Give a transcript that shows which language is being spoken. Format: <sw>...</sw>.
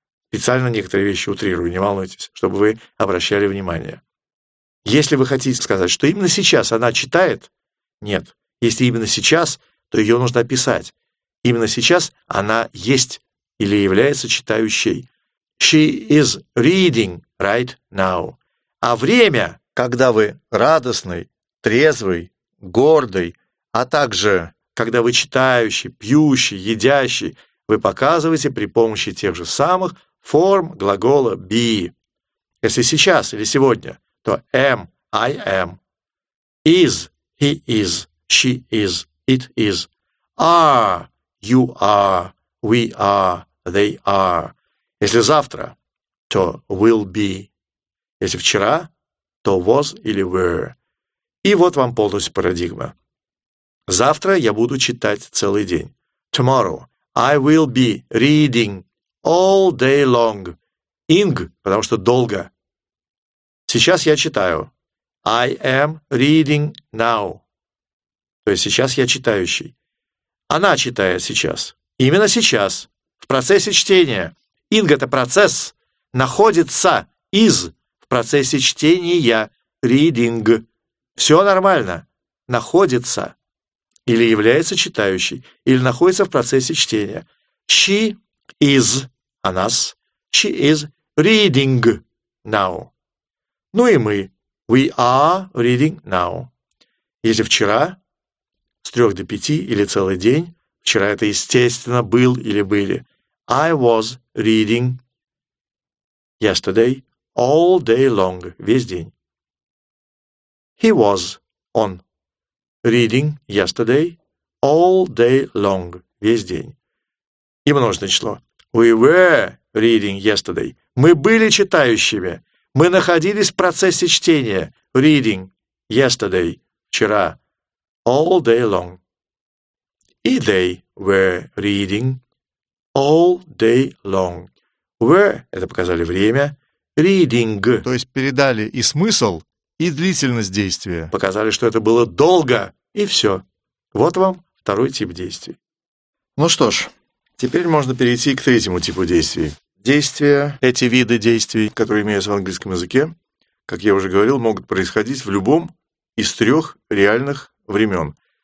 <ru>Специально некоторые вещи утрирую, не волнуйтесь, чтобы вы обращали внимание. Если вы хотите сказать, что именно сейчас она читает, нет. Если именно сейчас, то ее нужно описать. Именно сейчас она есть или является читающей.</ru> <en>She is reading right now.</en> <ru>А время, когда вы радостный, трезвый, гордый, а также когда вы читающий, пьющий, едящий, вы показываете при помощи тех же самых форм глагола be. Если сейчас или сегодня, то</ru> <en>am, I am, is, he is, she is, it is, are, you are, we are, they are.</en> <ru>Если завтра, то will be. Если вчера, то was или were. И вот вам полностью парадигма. Завтра я буду читать целый день.</ru> <en>Tomorrow I will be reading all day long.</en> <ru>Ing, потому что долго. Сейчас я читаю.</ru> <en>I am reading now.</en> <ru>То есть сейчас я читающий. Она читает сейчас. Именно сейчас. В процессе чтения. Ing — это процесс. Находится. Is. В процессе чтения. Reading. Все нормально. Находится. Или является читающей. Или находится в процессе чтения.</ru> <en>She is.</en> <ru>Она с.</ru> <en>She is reading now.</en> <ru>Ну и мы.</ru> <en>We are reading now.</en> <ru>Если вчера, с 3 до 5 или целый день, вчера это, естественно, был или были.</ru> <en>I was reading yesterday all day long.</en> <ru>Весь день.</ru> <en>He was on reading yesterday all day long.</en> <ru>Весь день. И множественное число.</ru> <en>We were reading yesterday.</en> <ru>Мы были читающими. Мы находились в процессе чтения.</ru> <en>Reading yesterday, вчера, all day long. И they were reading all day long.</en> <ru>Were – это показали время.</ru> <en>Reading –</en> <ru>то есть передали и смысл, и длительность действия. Показали, что это было долго, и все. Вот вам второй тип действий. Ну что ж, теперь можно перейти к третьему типу действий. Действия, эти виды действий, которые имеются в английском языке, как я уже говорил, могут происходить в любом из трех реальных времен.</ru>